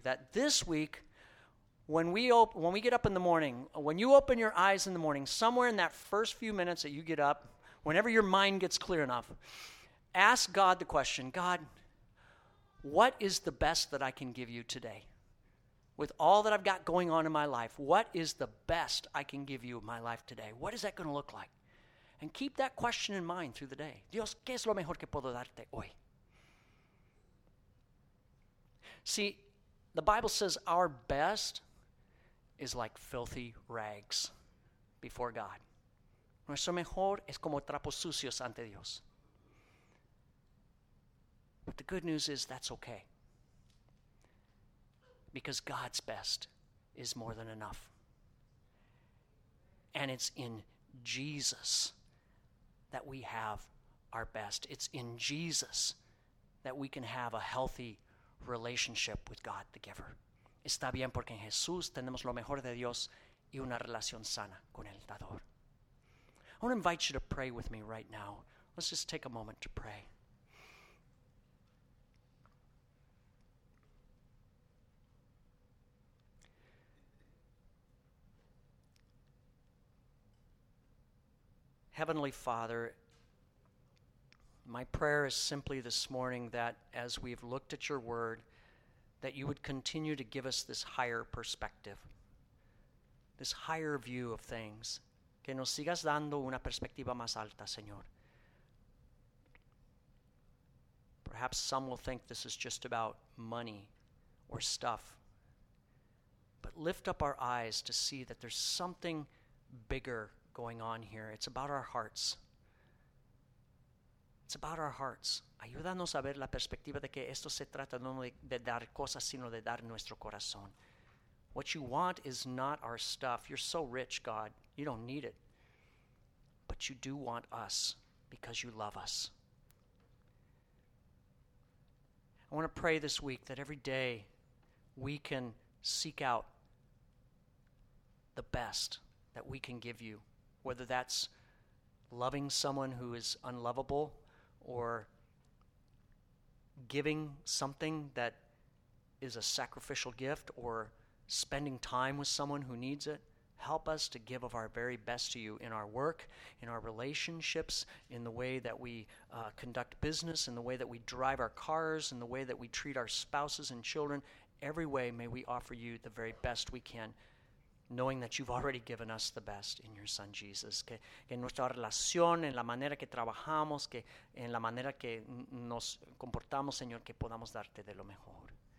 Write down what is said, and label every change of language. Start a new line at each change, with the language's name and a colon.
English: That this week, when we get up in the morning, when you open your eyes in the morning, somewhere in that first few minutes that you get up, whenever your mind gets clear enough, ask God the question, God, what is the best that I can give you today? With all that I've got going on in my life, what is the best I can give you in my life today? What is that going to look like? And keep that question in mind through the day.
Spanish: Dios, ¿qué es lo mejor que puedo darte hoy?
English: See, the Bible says our best is like filthy rags before God.
Spanish: Nuestro mejor es como trapos sucios ante Dios.
English: But the good news is that's okay. Because God's best is more than enough. And it's in Jesus that we have our best. It's in Jesus that we can have a healthy relationship with God the giver.
Spanish: Está bien porque en Jesús tenemos lo mejor de Dios y una relación sana con el dador.
English: I want to invite you to pray with me right now. Let's just take a moment to pray. Heavenly Father, my prayer is simply this morning that as we've looked at your word, that you would continue to give us this higher perspective, this higher view of things.
Spanish: Que nos sigas dando una perspectiva más alta, Señor.
English: Perhaps some will think this is just about money or stuff, but lift up our eyes to see that there's something bigger going on here. It's about our hearts. It's about our hearts.
Spanish: Ayúdanos a ver la perspectiva de que esto se trata no de dar cosas, sino de dar nuestro corazón.
English: What you want is not our stuff. You're so rich, God. You don't need it. But you do want us because you love us. I want to pray this week that every day we can seek out the best that we can give you, whether that's loving someone who is unlovable or giving something that is a sacrificial gift or spending time with someone who needs it. Help us to give of our very best to you in our work, in our relationships, in the way that we conduct business, in the way that we drive our cars, in the way that we treat our spouses and children. Every way may we offer you the very best we can, knowing that you've already given us the best in your Son Jesus.
Spanish: Que nuestra relación, en la manera que trabajamos, que en la manera que nos comportamos, Señor, que podamos darte de lo mejor.